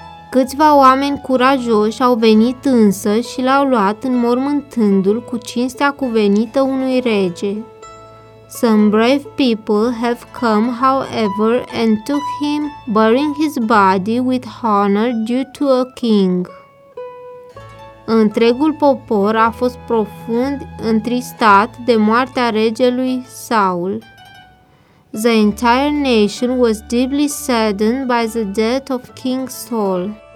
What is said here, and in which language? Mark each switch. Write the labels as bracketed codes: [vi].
[ro] Câțiva oameni curajoși au venit însă și l-au luat înmormântându-l cu cinstea cuvenită unui rege. [en] Some brave people have come, however, and took him, burying his body with honor due to a king. [ro] Întregul popor a fost profund întristat de moartea regelui Saul. [en] The entire nation was deeply saddened by the death of King Saul.